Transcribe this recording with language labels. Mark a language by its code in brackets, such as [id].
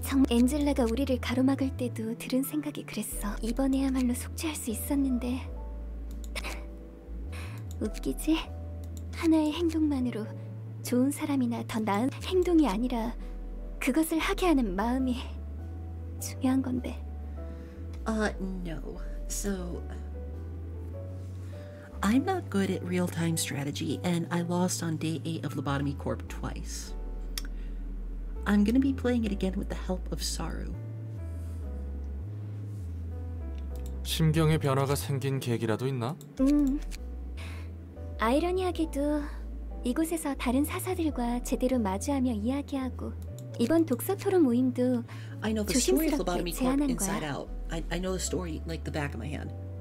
[ko] 엔젤라가 우리를 가로막을 때도 들은 생각이 그랬어. 이번에야말로 속죄할 수 있었는데. 웃기지? 하나의 행동만으로 좋은 사람이나 더 나은 행동이 아니라 그것을 하게 하는 마음이 중요한 건데. [en] No. So, I'm not good at real-time strategy, and I lost on day 8 of Lobotomy Corp twice. I'm gonna be playing it again with the help of Saru. [ko] 심경의 변화가 생긴 계기라도 있나? 아이러니하게도 이곳에서 다른 사사들과 제대로 마주하며 이야기하고 이번 독서 토론 모임도 조심스럽게 제안한 거야. [en] I know the story like the back of my hand.